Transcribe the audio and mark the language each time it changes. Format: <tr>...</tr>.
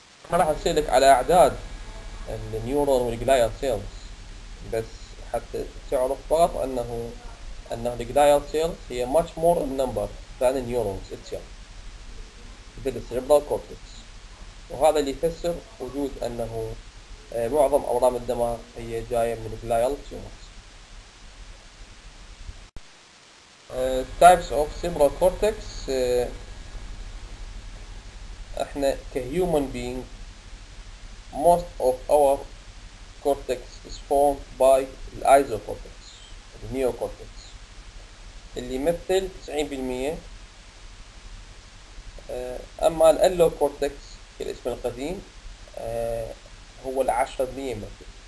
<ar>راح اسالك على اعداد النيورون والجلايال سيلز بس حتى تعرف فقط انه الجلايال سيلز هي</ar> <en>much more in number than النيورونز</en> <ar>اتشيلز في السيريبرال كورتكس، وهذا اللي يفسر وجود انه معظم اورام الدماغ هي جايه من الجلايال تيومرز.</ar> <en>types of cerebral cortex,</en> <ar>احنا كهيومن بينج</ar> <en>most of our cortex is formed by the isocortex the neocortex</en> <ar>اللي يمثل 90%. اما الالوكورتكس كالاسم القديم هو 10% مثل.</ar>